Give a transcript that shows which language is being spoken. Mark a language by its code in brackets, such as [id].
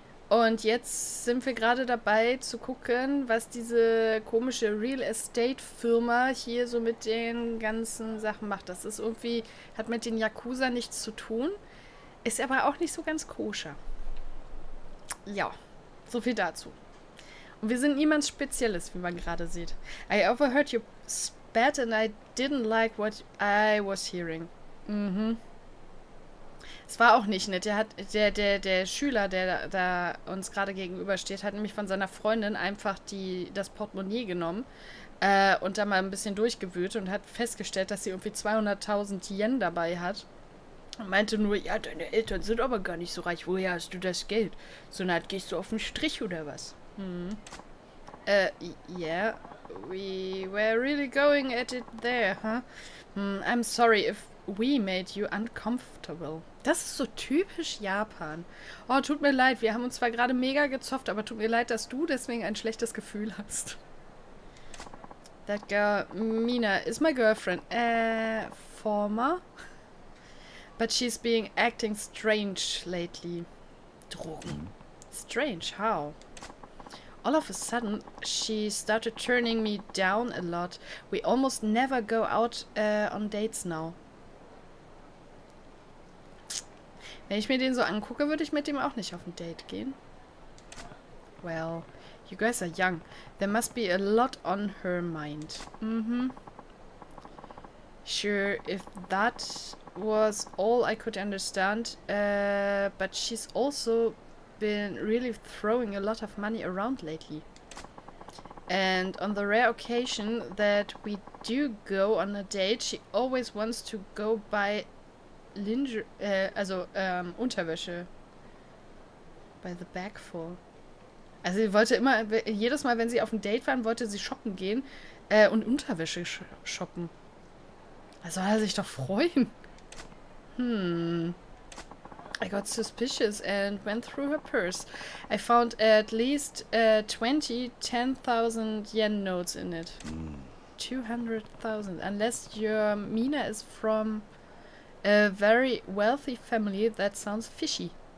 [de] Und jetzt sind wir gerade dabei zu gucken, was diese komische Real Estate Firma hier so mit den ganzen Sachen macht. Das ist irgendwie, hat mit den Yakuza nichts zu tun. Ist aber auch nicht so ganz koscher. Ja, so viel dazu. Und wir sind niemand Spezielles, wie man gerade sieht. [en] I overheard you spat and I didn't like what I was hearing. [de] Mhm. Es war auch nicht nett. Der Schüler, der da uns gerade gegenübersteht, hat nämlich von seiner Freundin einfach das Portemonnaie genommen und da mal ein bisschen durchgewühlt und hat festgestellt, dass sie irgendwie 200.000 Yen dabei hat. Meinte nur, ja, deine Eltern sind aber gar nicht so reich. Woher hast du das Geld? So eine Art, gehst du auf den Strich oder was? [en] Yeah. We were really going at it there, huh? I'm sorry if we made you uncomfortable. [de] Das ist so typisch Japan. Oh, tut mir leid, wir haben uns zwar gerade mega gezofft, aber tut mir leid, dass du deswegen ein schlechtes Gefühl hast. [en] That girl, Mina, is my girlfriend. Former? But she's being acting strange lately. [de] Drogen. [en] Strange, how? All of a sudden, she started turning me down a lot. We almost never go out on dates now. [de] Wenn ich mir den so angucke, würde ich mit dem auch nicht auf ein Date gehen. [en] Well, you guys are young. There must be a lot on her mind. Mm-hmm. Sure, if that was all I could understand, but she's also been really throwing a lot of money around lately. And on the rare occasion that we do go on a date, she always wants to go buy Unterwäsche. By the back full. [de] Also sie wollte immer, jedes Mal, wenn sie auf ein Date waren, wollte sie shoppen gehen und Unterwäsche shoppen. Da soll er sich doch freuen. [en] I got suspicious and went through her purse. I found at least 20 10,000 yen notes in it. 200,000. Unless your Mina is from a very wealthy family, that sounds fishy.